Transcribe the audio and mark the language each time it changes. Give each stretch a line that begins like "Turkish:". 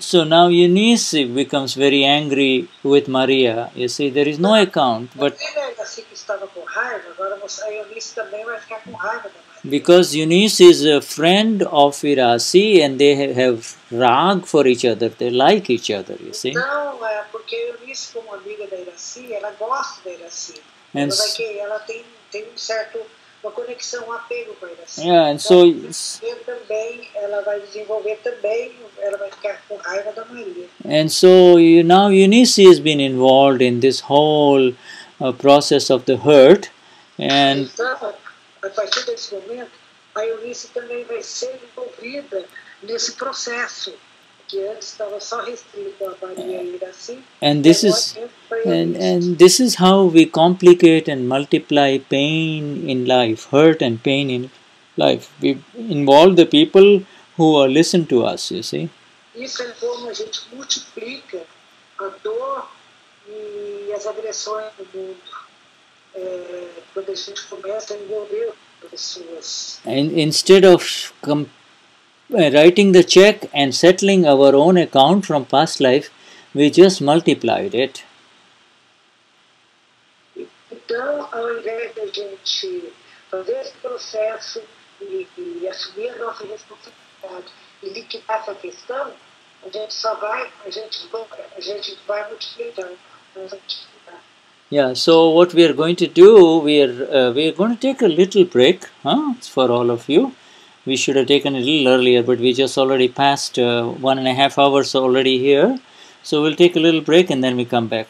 English: So now Eunice becomes very angry with Maria. You see, there is no account, but
Portuguese: assim que estava com raiva, agora a Eunice também vai ficar com raiva.
English: Because Eunice is a friend of Irasi and they have rag for each other, they like each other, you see.
Portuguese: Então, porque Eunice, como amiga da Irasi, ela gosta da Irasi. And ela tem uma conexão, um apego com a Irasi. Yeah, and então, so ela vai desenvolver também, ela vai ficar com raiva da Maria.
English: And so now Eunice has been involved in this whole process of the hurt. And então,
Portuguese: A partir desse momento, a Eunice também vai ser envolvida nesse processo, que antes estava só restrito à Maria Iraci.
English: And this is how we complicate and multiply pain in life, hurt and pain in life. We involve the people who are listening to us, you see.
Portuguese: Isso é como a gente multiplica a dor e as agressões do mundo. Quando a gente começa a envolver pessoas.
English: And instead of writing the check and settling our own account from past life, we just multiplied it.
Portuguese: Então, ao invés de a gente fazer esse processo e assumir a nossa responsabilidade e liquidar essa questão, a gente vai multiplicando nossa atividade.
English: Yeah, so what we are going to do, we are going to take a little break, for all of you. We should have taken it a little earlier, but we just already passed 1.5 hours already here. So we'll take a little break and then we come back.